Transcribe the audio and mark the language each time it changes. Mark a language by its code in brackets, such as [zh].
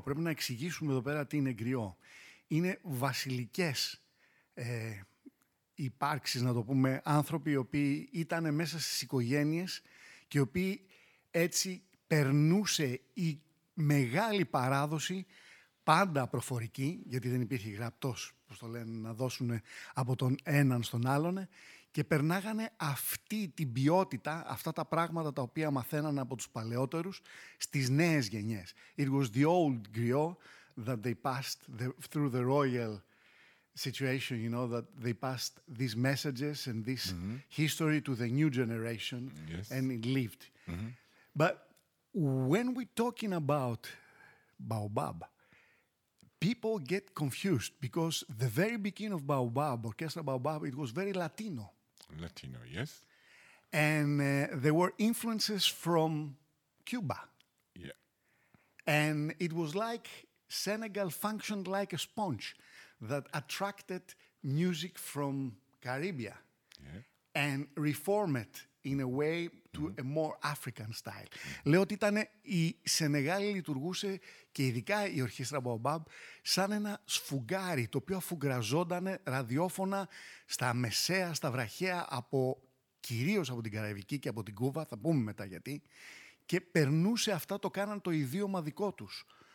[el] Πρέπει να εξηγήσουμε εδώ πέρα τι είναι γκριό. Είναι βασιλικές υπάρξεις, να το πούμε, άνθρωποι οι οποίοι ήταν μέσα στις οικογένειες και οι οποίοι έτσι περνούσε η μεγάλη παράδοση, πάντα προφορική, γιατί δεν υπήρχε γραπτός, πώς το λένε, να δώσουν από τον έναν στον άλλον, και περνάγανε αυτή την ποιότητα, αυτά τα πράγματα τα οποία μαθαίνανε από τους παλαιότερους, στις νέες γενιές. [en] It was the old griot that they passed the, through the royal situation, you know, that they passed these messages and this mm-hmm. history to the new generation, yes. and it lived. Mm-hmm. But when we're talking about Baobab, people get confused because the very beginning of Baobab, Orchestra Baobab, it was very Latino. Latino, yes. And there were influences from Cuba. Yeah. And it was like Senegal functioned like a sponge that attracted music from Caribbean yeah. and reformed it in a way to mm-hmm. a more African style. [el] Λέω ότι ήταν η Σενεγάλη λειτουργούσε και ειδικά η ορχήστρα Baobab σαν ένα σφουγγάρι το οποίο αφουγκραζόταν ραδιόφωνα στα μεσαία, στα βραχαία από κυρίως από την Καραϊβική και από την Κούβα, θα πούμε μετά γιατί, και περνούσε αυτά, το κάναν το ιδίωμα δικό τους.